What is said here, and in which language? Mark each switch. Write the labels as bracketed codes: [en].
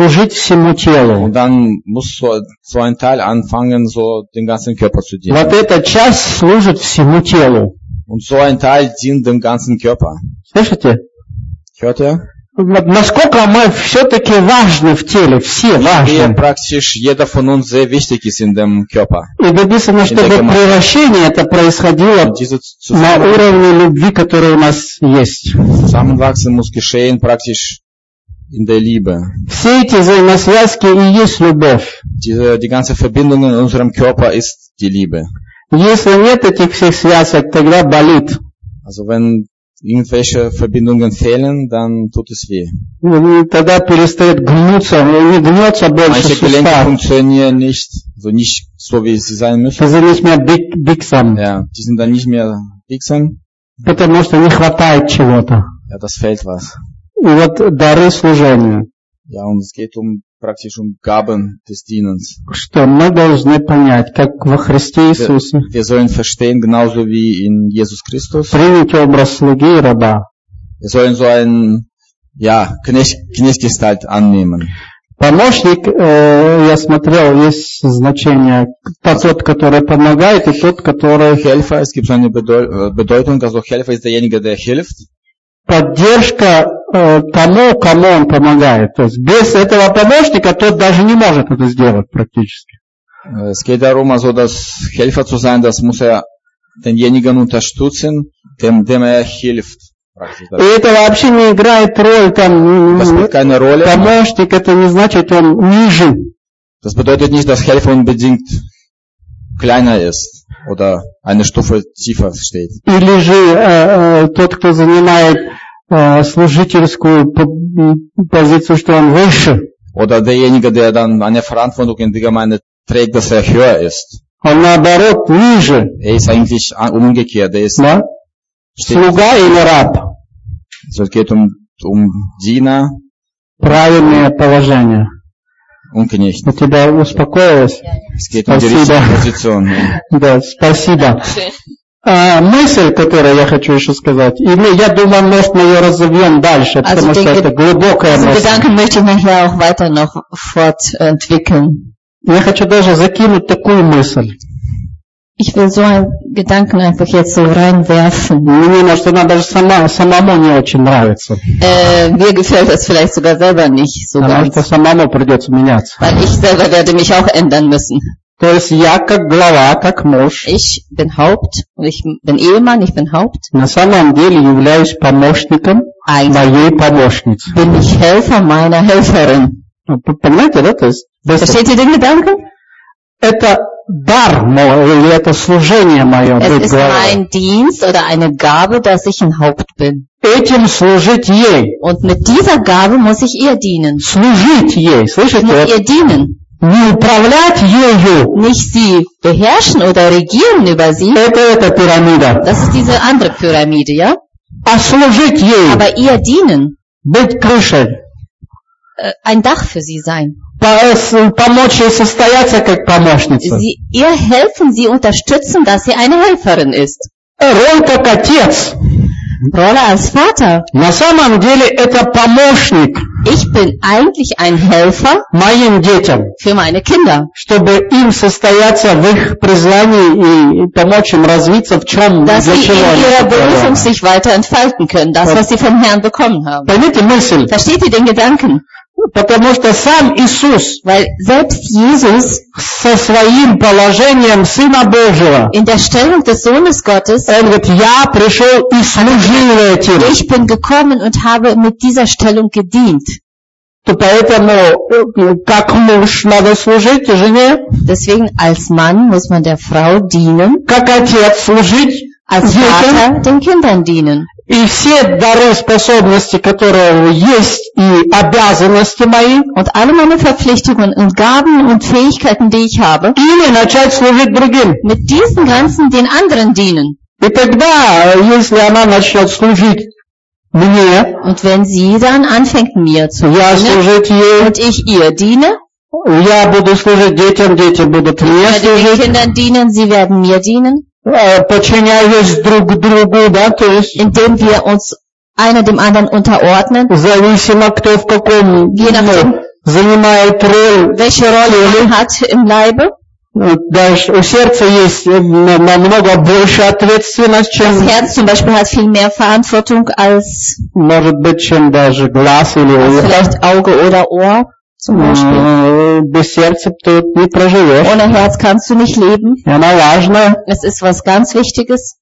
[de] Und dann muss so ein Teil anfangen, so den ganzen Körper zu dienen. Und so ein Teil dient dem ganzen Körper. Hört ihr? [ru] Насколько мы все-таки важны в теле, все важны. [de] Praktisch jeder von uns sehr wichtig ist in dem Körper. [ru] И написано, чтобы превращение это происходило на уровне любви, который у нас есть. [de] Zusammenwachsen muss geschehen praktisch in der Liebe. [ru] Все эти взаимосвязки и есть любовь. [de] Die ganze Verbindung in unserem Körper ist die Liebe. [ru] Если нет этих всех связок, тогда болит. [de] Also wenn irgendwelche Verbindungen fehlen, dann tut es weh. [ru] Тогда перестает гнуться, не гнется больше сустав. [de] Manche Gelenke funktionieren nicht, also nicht so wie sie sein müssen. Sie sind nicht mehr biegsam. Ja, die sind dann nicht mehr biegsam. [ru] Потому что не хватает чего-то. [de] Ja, das fehlt was. [ru] И вот дары служения. [de] Ja, und es geht praktisch Gaben des Dienens. [ru] Что мы должны понять, как во Христе Иисусе. [de] Wir sollen verstehen, genauso wie in Jesus Christus. [ru] Принять образ слуги и раба. [de] Wir sollen so ein, ja, Knechtgestalt annehmen. [ru] Помощник, я смотрел, есть значение, тот, который помогает, и тот, который... [de] Helfer, es gibt so eine Bedeutung, also Helfer ist derjenige, der hilft. [ru] Поддержка тому, кому он помогает. То есть без этого помощника тот даже не может это сделать практически. [de] Es geht darum, also das Helfer zu sein, das muss er denjenigen unterstützen, dem er hilft. [ru] И это вообще не играет роль там. [de] Das spielt keine Rolle. [ru] Помощник, это не значит, он ниже. [de] Das bedeutet nicht, dass Helfer unbedingt kleiner ist. Oder eine Stufe tiefer steht. [ru] Или же тот, кто занимает служительскую позицию, что он выше. [de] Oder derjenige, der dann eine Verantwortung in der Gemeinde trägt, dass er höher ist. [ru] Он наоборот ниже. [de] Er ist eigentlich umgekehrt. Er ist [ru] да? Слуга или раб. [de] So geht Diener. [ru] Правильное положение. [de] Und Knecht. [ru] У тебя успокоилось? [de] Es geht um die richtige Position. [ru] Да, спасибо. Мысль, которую я хочу еще сказать, и я думаю, может, мы ее разовьем дальше, потому что это глубокая мысль. [de] Gedanken möchte ich mir auch weiter noch fortentwickeln. [ru] Я хочу даже закинуть такую мысль. [de] Ich will so einen Gedanken einfach jetzt so reinwerfen. [ru] Может, она даже самому не очень нравится. [de] Mir gefällt das vielleicht sogar selber nicht so ganz. [ru] Потому что самому придется меняться. [de] Weil ich selber werde mich auch ändern müssen. [ru] То есть я как глава, как муж. [de] Ich bin Haupt, ich bin Ehemann, ich bin Haupt. [ru] На самом деле являюсь помощником моей помощницы. [de] Bin ich Helfer meiner Helferin. [ru] Понимаете, да? [de] Versteht ihr den Gedanken? [ru] Это дар мой, или это служение мое, быть главой. [de] Es ist mein Dienst oder eine Gabe, dass ich ein Haupt bin. [ru] Этим служить ей. [de] Und mit dieser Gabe muss ich ihr dienen. [ru] Служить ей, слышите? [de] Ich muss ihr dienen. [ru] Не управлять ею. [de] Nicht sie beherrschen oder regieren über sie. [ru] Это пирамида. [de] Das ist diese andere Pyramide, ja? [ru] А служить ей. [de] Aber ihr dienen. [ru] Быть крышей. [de] Ein Dach für sie sein. [ru] Помочь ей состояться как помощница. [de] Sie, ihr helfen, sie unterstützen, dass sie eine Helferin ist. [ru] Роль как отец. [de] Rolle als Vater. [ru] На самом деле это помощник. [de] Ich bin eigentlich ein Helfer. [ru] Моим детям. [de] Für meine Kinder. [ru] Чтобы им состояться в их призвании и помочь им развиться в чем, [de] dass sie in ihrer Berufung sich weiter entfalten können, das was sie vom Herrn bekommen haben. [ru] Понимаете мысль? [de] Versteht ihr den Gedanken? [ru] Потому что сам Иисус, [de] weil selbst Jesus [ru] со своим положением Сына Божьего, [de] in der Stellung des Sohnes Gottes, [ru] он говорит, я пришел и служил этим. [de] Ich bin gekommen und habe mit dieser Stellung gedient. [ru] То поэтому, как муж надо служить жене? [de] Deswegen als Mann muss man der Frau dienen. [ru] Как отец служить? [de] Als Vater den Kindern dienen. [ru] И все дары, способности, которые есть, и обязанности мои. [de] Und alle meine Verpflichtungen und Gaben und Fähigkeiten, die ich habe. Ihnen [ru] начать служить другим. [de] Mit diesen ganzen den anderen dienen. [ru] И тогда, если она начнет служить мне. [de] Und wenn sie dann anfängt mir zu dienen. [ru] Я служить ей. [de] Und ich ihr diene. [ru] Я буду служить детям, дети будут мне служить. [de] Ich werde den Kindern dienen, sie werden mir dienen. [ru] Подчиняясь друг другу, да, то есть. [de] Indem wir uns einer dem anderen unterordnen. [ru] Зависимо кто в каком. [de] Je nachdem. [ru] Занимает роль. [de] Welche Rolle man hat im Leibe. [ru] Даже у сердца есть намного больше ответственность, чем. [de] Das Herz zum Beispiel hat viel mehr Verantwortung als. [ru] Может быть, чем даже глаз или ухо. [de] Vielleicht Auge oder Ohr. [ru] Без сердца ты не проживешь. [de] Ohne Herz kannst du nicht leben. [ru] И она важна. [de] Es ist was ganz Wichtiges.